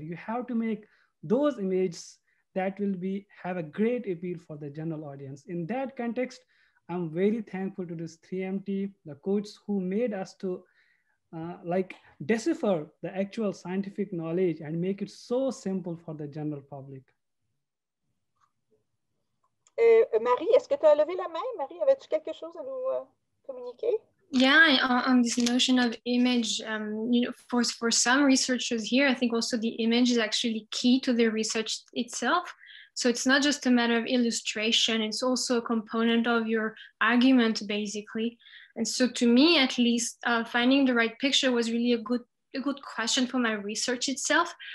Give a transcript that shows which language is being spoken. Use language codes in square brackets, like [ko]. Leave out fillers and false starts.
[en] You have to make those images that will be have a great appeal for the general audience. In that context, I'm very thankful to this 3MT, the coach who made us to like decipher the actual scientific knowledge and make it so simple for the general public. [fr] Marie, est-ce que tu as levé la main? Marie, avais-tu quelque chose à nous communiquer? [en] Yeah, on this notion of image, you know, for some researchers here, I think also the image is actually key to their research itself. So it's not just a matter of illustration, it's also a component of your argument, basically. And so to me, at least, finding the right picture was really a good question for my research itself.